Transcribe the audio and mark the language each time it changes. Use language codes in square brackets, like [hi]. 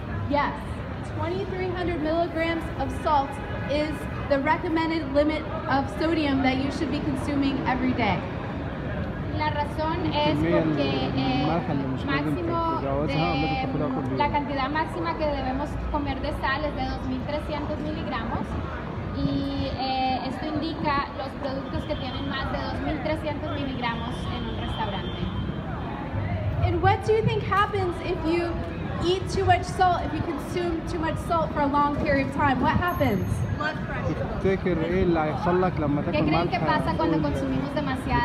[en] Yes, 2,300 milligrams of salt is the recommended limit of sodium that you should be consuming every day. [es] La razón es porque la cantidad máxima que debemos comer de sal es de 2,300 miligramos. Y esto indica los productos que tienen más de 2,300 miligramos en un restaurante. [en] And what do you think happens if you eat too much salt, if you consume too much salt for a long period of time? What happens? [ar] تفتكر ايه اللي هيحصل لك لما تاكل ملح؟